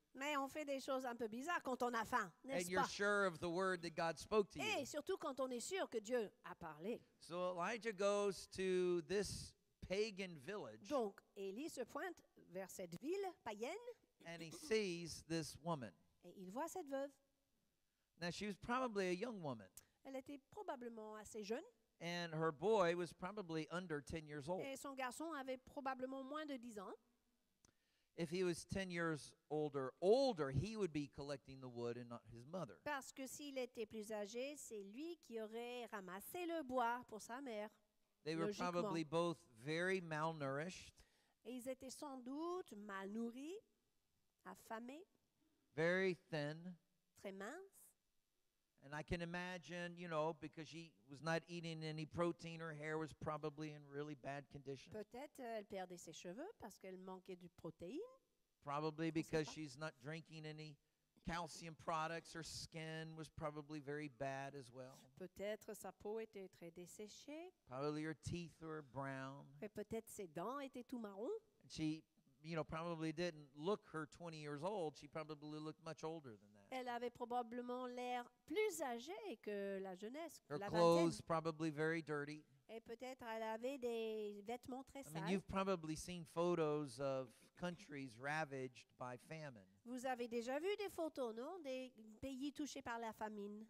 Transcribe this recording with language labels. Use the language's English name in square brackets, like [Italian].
[French] Mais on fait des choses un peu bizarres quand on a faim, n'est-ce pas? [English] And you're sure of the word that God spoke to you. [French] Et surtout quand on est sûr que Dieu a parlé. [English] So Elijah goes to this pagan village. [French] Donc Élie se pointe vers cette ville païenne. [English] And he sees this woman. [French] Et il voit cette veuve. [English] Now she was probably a young woman. [French] Elle était probablement assez jeune. [English] And her boy was probably under 10 years old. [French] Et son garçon avait probablement moins de 10 ans. [English] If he was 10 years older, he would be collecting the wood and not his mother. [French] Parce que s'il était plus âgé, c'est lui qui aurait ramassé le bois pour sa mère. [English] They were probably both very malnourished. [French] Et ils étaient sans doute mal nourris, affamés. [English] Very thin. [French] Très minces. [English] And I can imagine, you know, because she was not eating any protein, her hair was probably in really bad condition. [French] Peut-être elle perdait ses cheveux parce qu'elle manquait de protéines. [English] Probably because she's not drinking any calcium products, her skin was probably very bad as well. [French] Peut-être sa peau était très desséchée. [English] Probably her teeth were brown. [French] Et peut-être ses dents étaient tout marron. [English] She, you know, probably didn't look her 20 years old. She probably looked much older than that. [French] Elle avait probablement l'air plus âgée que la jeunesse. [English] Her [French] la [English] clothes [French] vingtaine. [English] Probably very dirty. [French] Et peut-être elle avait des vêtements très sales. [English] I mean, you've probably seen photos of countries ravaged by famine. [French] Vous avez déjà vu des photos, non, des pays touchés par la famine.